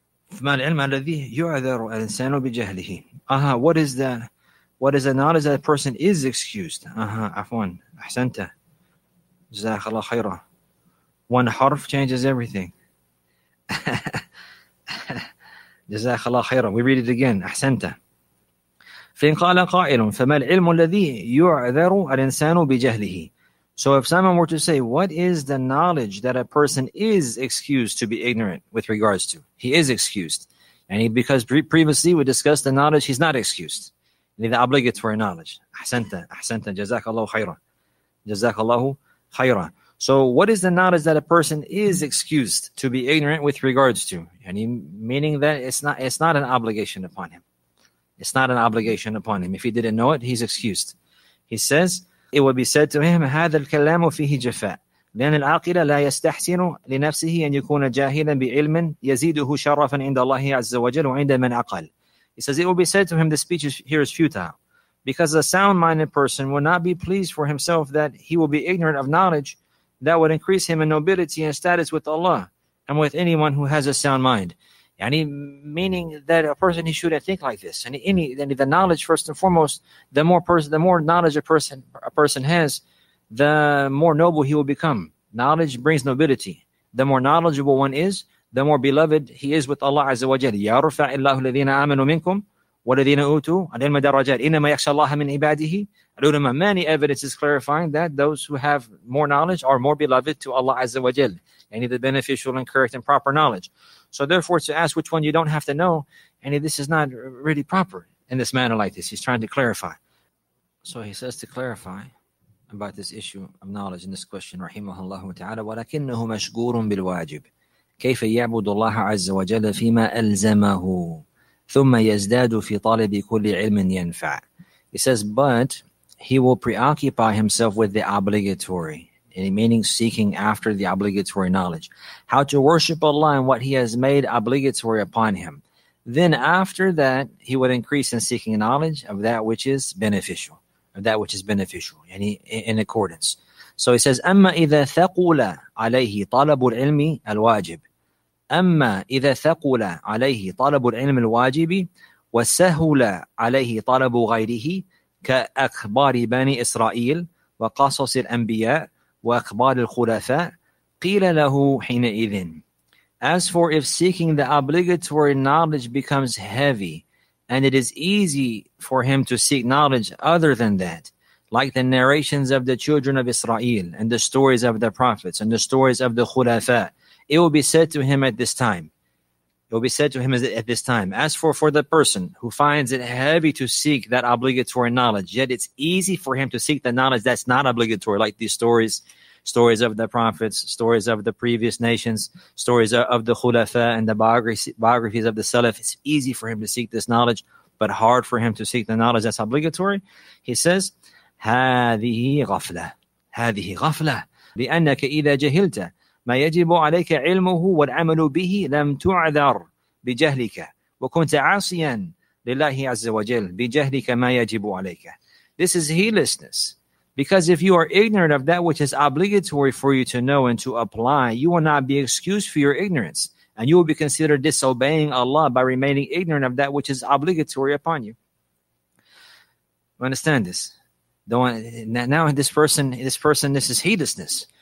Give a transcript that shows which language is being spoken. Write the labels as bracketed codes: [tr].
[ar] فما العلم الذي يعذر الإنسان بجهله. [en] What is the what is the knowledge that a person is excused? [ar] عفواً أحسنت جزاك الله خيرا. [en] One harf changes everything. [ar] جزاك الله خيرا. [en] We read it again. [ar] أحسنت. فإن قال قائل فما العلم الذي يعذر الإنسان بجهله. [en] So if someone were to say, what is the knowledge that a person is excused to be ignorant with regards to? He is excused. And he, because previously we discussed the knowledge, he's not excused. You need the obligatory knowledge. Ahsanta, ahsanta, jazakallahu khayra. Jazakallahu khayra. So what is the knowledge that a person is excused to be ignorant with regards to? And he, meaning that it's not an obligation upon him. It's not an obligation upon him. If he didn't know it, he's excused. He says, it would be said to him, [ar] هذا الكلام فيه جفاء لأن العاقل لا يستحسن لنفسه أن يكون جاهلا بعلم يزيده شرفا عند الله عز وجل وعند من عقل. [en] He says, it would be said to him, the speech here is futile, because a sound-minded person will not be pleased for himself that he will be ignorant of knowledge that would increase him in nobility and status with Allah and with anyone who has a sound mind. يعني meaning that a person, he shouldn't think like this. And any the knowledge, first and foremost, the more knowledge a person has, the more noble he will become. Knowledge brings nobility. The more knowledgeable one is, the more beloved he is with Allah Azza wa Jal. [ar] يَرْفَعِ اللَّهُ الَّذِينَ آمَنُوا مِنْكُمْ وَالَّذِينَ أُوتُوا عَلِمَ دَرَجَاتِ إِنَّمَا يَخْشَى اللَّهَ مِنْ عِبَادِهِ الْعُلَمَاءُ. [en] Many evidences clarifying that those who have more knowledge are more beloved to Allah Azza wa Jal. Any of the beneficial and correct and proper knowledge. So therefore, to ask which one you don't have to know, any of this is not really proper in this manner like this. He's trying to clarify. So he says to clarify about this issue of knowledge in this question, [ar] رحمه ta'ala, وَلَكِنَّهُ مَشْغُورٌ بِالْوَاجِبِ كَيْفَ يَعْبُدُ اللَّهَ عَزَّ وَجَلَّ فِي مَا أَلْزَمَهُ ثُمَّ يَزْدَادُ فِي طَالِبِ كُلِّ عِلْمٍ يَنْفَعَ. [en] He says, but he will preoccupy himself with the obligatory, meaning seeking after the obligatory knowledge, how to worship Allah and what he has made obligatory upon him. Then after that, he would increase in seeking knowledge of that which is beneficial, of that which is beneficial, and he, in accordance. So he says, [ar] أما إذا ثقل عليه طلب العلم الواجب أما إذا ثقل عليه طلب العلم الواجب وسهل عليه طلب غيره كأخبار بني إسرائيل وقصص الأنبياء وأخبار الخلفاء قيل له حينئذ. [en] As for if seeking the obligatory knowledge becomes heavy and it is easy for him to seek knowledge other than that, like the narrations of the children of Israel and the stories of the prophets and the stories of the khulafa, it will be said to him at this time. It will be said to him at this time. As for the person who finds it heavy to seek that obligatory knowledge, yet it's easy for him to seek the knowledge that's not obligatory, like these stories, stories of the prophets, stories of the previous nations, stories of the khulafa and the biographies of the salaf. It's easy for him to seek this knowledge, but hard for him to seek the knowledge that's obligatory. He says, [ar] هذه غفلة. هذه غفلة. لأنك إذا جهلت ما يجب عليك علمه والعمل به لم تعذر بجهلك وكنت عاصيا لله عز وجل بجهلك ما يجب عليك. [en] This is heedlessness. Because if you are ignorant of that which is obligatory for you to know and to apply, you will not be excused for your ignorance. And you will be considered disobeying Allah by remaining ignorant of that which is obligatory upon you. You understand this? Now this person, this is heedlessness.